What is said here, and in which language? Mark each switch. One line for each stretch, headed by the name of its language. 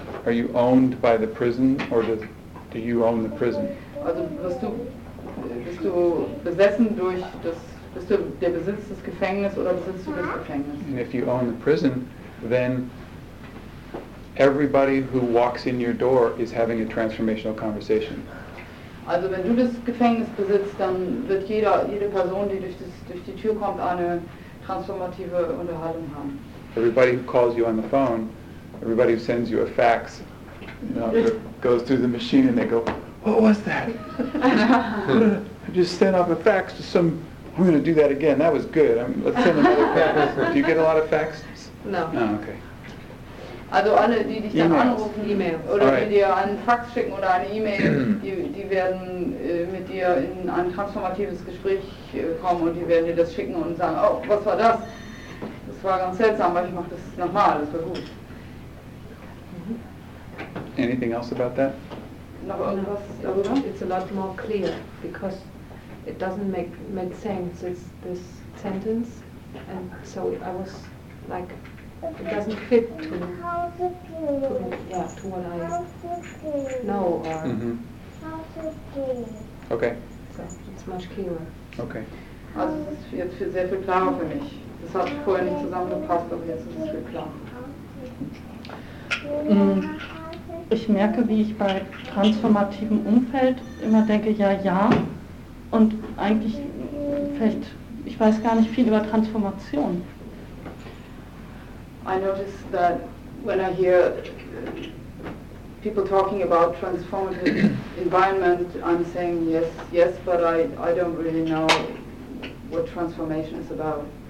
English: Are you owned by the prison, or do you own the prison?
German: Also bist du besessen durch das, bist du der Besitz des Gefängnisses oder besitzt du das Gefängnis?
English: And if you own the prison, then everybody who walks in your door is having a transformational conversation.
German: Also wenn du das Gefängnis besitzt, dann wird jede Person, die durch die Tür kommt, eine transformative Unterhaltung haben.
English: Everybody who calls you on the phone, everybody who sends you a fax, you know, goes through the machine and they go, what was that? I just sent off a fax to some, I'm going to do that again, that was good. Let's send another fax. Do you get a lot of faxes? No. Oh, okay.
German: Also alle, die dich dann anrufen, E-Mails. Oder
English: right.
German: Die dir einen Fax schicken oder eine E-Mail, die werden mit dir in ein transformatives Gespräch kommen und die werden dir das schicken und sagen, oh, was war das? Das war ganz seltsam, aber ich mache das nochmal, das war gut.
English: Anything else about that?
German: Noch irgendwas darüber?
English: It's a lot more clear, because it doesn't make sense, it's this sentence, and so I was like, it doesn't fit to what I know or mm-hmm. Okay. So it's much clearer. Okay.
German: Also es ist jetzt viel sehr viel klarer für mich. Das hat vorher nicht zusammengepasst, aber jetzt ist es viel klarer. Ich merke, wie ich bei transformativem Umfeld immer denke, ja. Und eigentlich vielleicht, ich weiß gar nicht viel über Transformation.
English: I notice that when I hear people talking about transformative environment, I'm saying yes, but I don't really know what transformation is about.